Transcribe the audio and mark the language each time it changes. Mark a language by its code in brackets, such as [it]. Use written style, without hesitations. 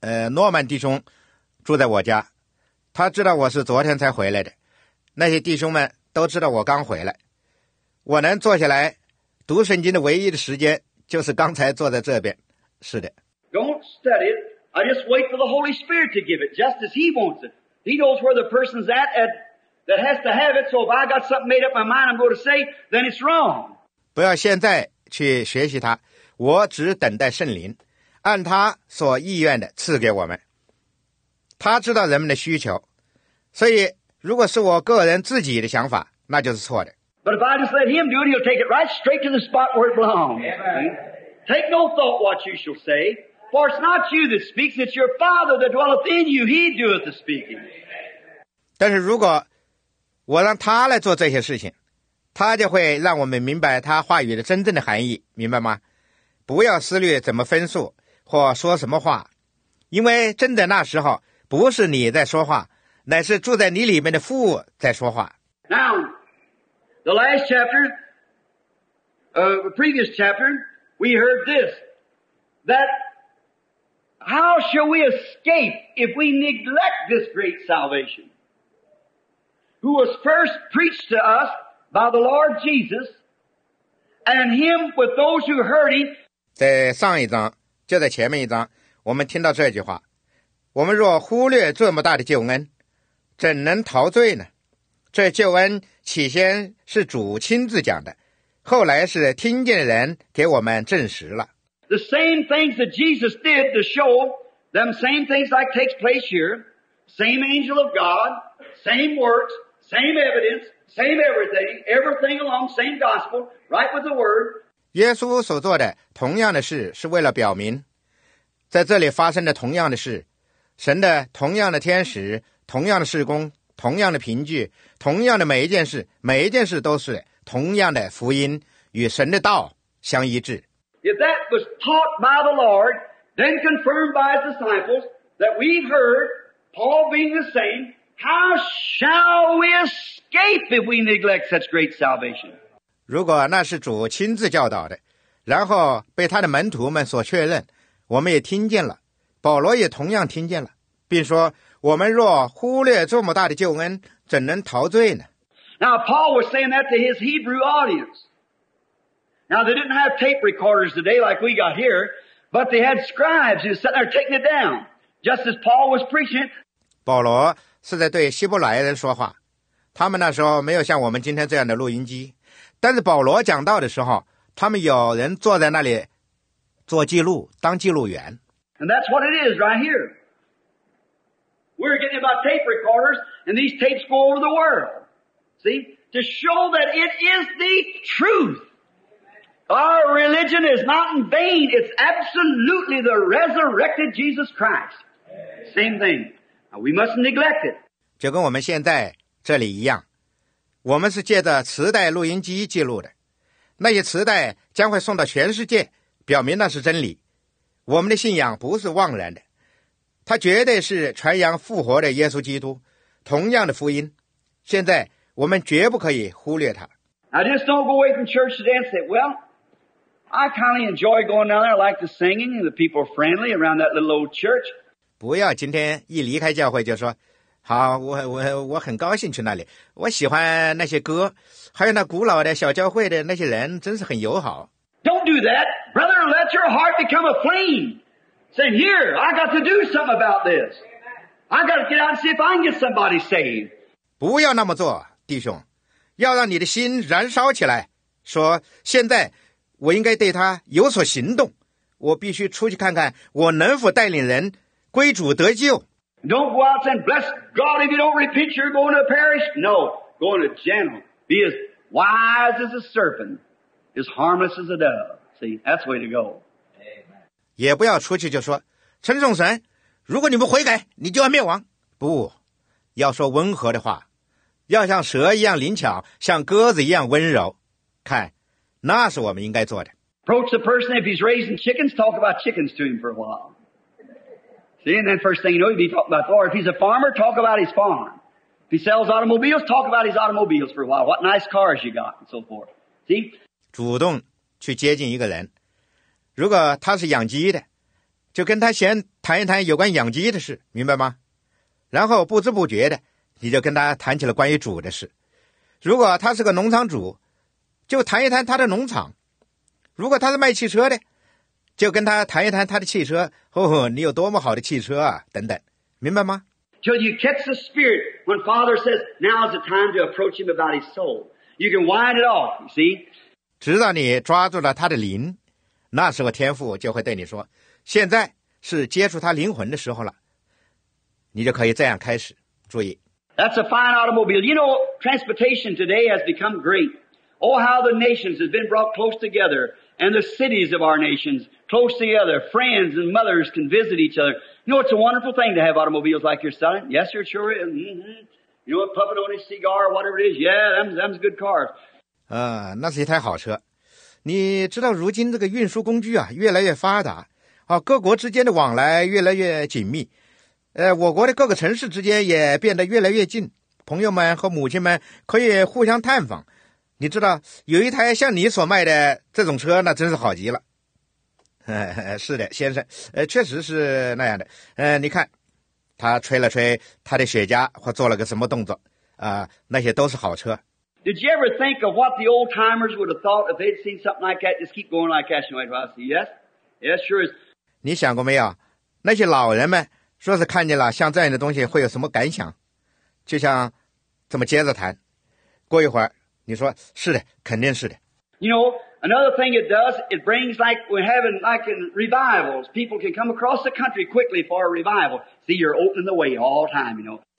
[zh] 诺曼弟兄住在我家，他知道我是昨天才回来的，那些弟兄们都知道我刚回来。我能坐下来读圣经的唯一的时间就是刚才坐在这边。是的。 [en] Don't study it. I just wait for the Holy Spirit to give it, just as He wants it. He knows where the person's at that has to have it, so if I got something made up my mind I'm going to say, then it's wrong. [zh] 不要现在去学习它，我只等待圣灵，按他所意愿的赐给我们。他知道人们的需求，所以如果是我个人自己的想法，那就是错的。 [en] But if I just let him do it, he'll take it right straight to the spot where it belongs. Take no thought what you shall say, for it's not you that speaks, it's your Father that dwelleth in you, He doeth the speaking. [zh] 但是如果我让他来做这些事情，他就会让我们明白他话语的真正的含义，明白吗？不要思虑怎么分数或说什么话，因为真的那时候不是你在说话，乃是住在你里面的父在说话。 [en] Now, the last chapter, the previous chapter, we heard this, that how shall we escape if we neglect this great salvation, who was first preached to us by the Lord Jesus, and him with those who heard him. [zh] 在上一章，就在前面一章，我们听到这句话。我们若忽略这么大的救恩，怎能陶醉呢？这救恩起先是主亲自讲的，后来是听见的人给我们证实了。 [en] The same things that Jesus did to show them, same things like takes place here, same angel of God, same works, same evidence, same everything, everything along same gospel, right with the word. [zh] 耶稣所做的同样的事，是为了表明，在这里发生的同样的事。神的同样的天使，同样的事工，同样的凭据，同样的每一件事，每一件事都是同样的福音，与神的道相一致。 [en] If that was taught by the Lord, then confirmed by his disciples, that we've heard, Paul being the same, how shall we escape if we neglect such great salvation? [zh] 如果那是主亲自教导的，然后被他的门徒们所确认，我们也听见了。保罗也同样听见了，并说：“我们若忽略这么大的救恩，怎能陶醉呢？” [en] Now Paul was saying that to his Hebrew audience. Now they didn't have tape recorders today like we got here, but they had scribes who sat there taking it down, just as Paul was preaching. [zh] 保罗是在对希伯来人说话，他们那时候没有像我们今天这样的录音机，但是保罗讲道的时候，他们有人坐在那里做记录，当记录员。 [en] And that's what it is right here. We're getting about tape recorders, and these tapes go over the world. See? To show that it is the truth. Our religion is not in vain. It's absolutely the resurrected Jesus Christ. Same thing. Now, we mustn't neglect it. [zh] 就跟我们现在这里一样，我们是借着磁带录音机记录的，那些磁带将会送到全世界，表明那是真理。我们的信仰不是枉然的，它绝对是传扬复活的耶稣基督同样的福音，现在我们绝不可以忽略它。 [en] I just don't go away from church today and say, well, I kind of enjoy going down there, I like the singing, and the people are friendly around that little old church. [zh] 不要今天一离开教会就说，好，我很高兴去那里，我喜欢那些歌，还有那古老的小教会的那些人真是很友好。 [en] Don't do that. Brother, let your heart become a flame. Say, here, I got to do something about this. I got to get out and see if I can get somebody saved. [zh] 不要那么做，弟兄。要让你的心燃烧起来，说，现在我应该对他有所行动。我必须出去看看我能否带领人归主得救。 [en] Don't go out and bless God if you don't repent, you're going to perish. No, go in a gentle. Be as wise as a serpent. As harmless as a dove. See, that's the way to go. [zh] 也不要出去就说，称颂神，如果你们悔改，你就要灭亡。不，要说温和的话，要像蛇一样灵巧，像鸽子一样温柔。看，那是我们应该做的。 [en] Approach the person, if he's raising chickens, talk about chickens to him for a while. See, and then first thing you know, he'll be talking about the Lord. If he's a farmer, talk about his farm. If he sells automobiles, talk about his automobiles for a while. What nice cars you got, and so forth. See? [zh] 主动去接近一个人。如果他是养鸡的，就跟他先谈一谈有关养鸡的事，明白吗？然后不知不觉的，你就跟他谈起了关于主的事。如果他是个农场主，就谈一谈他的农场。如果他是卖汽车的，就跟他谈一谈他的汽车，呵呵，你有多么好的汽车啊，等等，明白吗？ [en] So you catch the spirit when Father says, now is the time to approach him about his soul. You can wind it off, you see? [zh] 直到你抓住了他的灵，那时候天父就会对你说，现在是接触他灵魂的时候了，你就可以这样开始，注意。 [en] That's a fine automobile. You know, transportation today has become great. Oh, how the nations have been brought close together, and the cities of our nations close together. Friends and mothers can visit each other. You know, it's a wonderful thing to have automobiles like you're selling. Yes, sir, sure is. You know, a puffing on his cigar, whatever it is. Yeah, them's good cars. [zh] 那是一台好车。你知道如今这个运输工具啊越来越发达，各国之间的往来越来越紧密。我国的各个城市之间也变得越来越近，朋友们和母亲们可以互相探访。你知道有一台像你所卖的这种车，那真是好极了。是的，先生，确实是那样的。你看他吹了吹他的雪茄或做了个什么动作那些都是好车。 [en] Did you ever think of what the old timers would have thought if they'd seen something like that? Just keep going like that, and I'll see. Yes, yes, sure is. [zh] 你想过没有？那些老人们说是看见了像这样的东西会有什么感想？就像这么接着谈。过一会儿，你说是的，肯定是的。 [en] You know, another thing it does, it brings like we're having like in revivals. People can come across the country quickly for a revival. See, you're opening the way all time. You know.